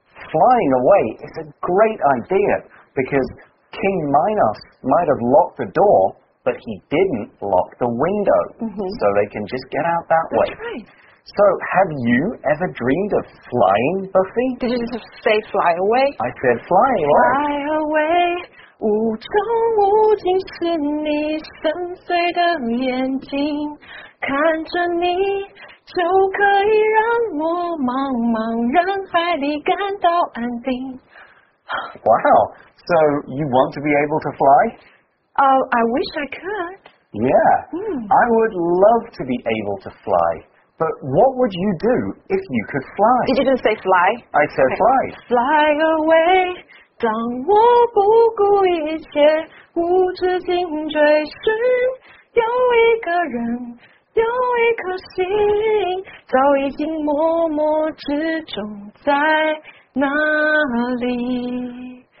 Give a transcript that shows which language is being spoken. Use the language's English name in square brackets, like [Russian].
[English] Flying away is a great idea, because King Minos might have locked the door, but he didn't lock the window. Mm-hmm. So they can just get out that way. That's right. So, have you ever dreamed of flying, Buffy? Did you just say fly away? I said fly away. Fly away, [Chinese] 无穷无尽是你深邃的眼睛，看着你就可以让我茫茫人海里感到安定。 [English] Wow, so you want to be able to fly? I wish I could. Yeah, I would love to be able to fly. But what would you do if you could fly? Did you just say fly? I said fly. Fly away, [Chinese] 当我不顾一切，无止境追寻，有一个人，有一颗心，早已经默默之中在那里。